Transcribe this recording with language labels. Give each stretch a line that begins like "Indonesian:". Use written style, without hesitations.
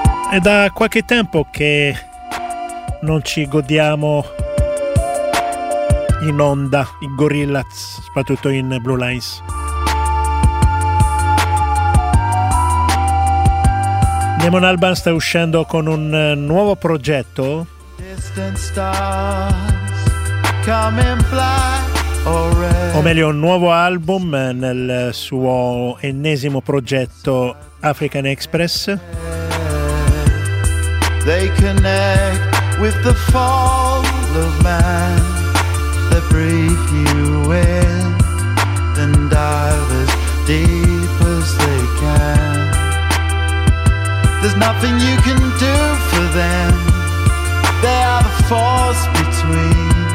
Italian: È da qualche tempo che non ci godiamo in onda i Gorillaz, soprattutto in Blue Lines. Damon Albarn sta uscendo con un nuovo progetto.
English: Distant stars come and fly.
Italian: O meglio, un nuovo album nel suo ennesimo progetto African Express.
English: They connect with the fall of man, they breathe you in, then dive as deep as they can. There's nothing you can do for them, they are the force between.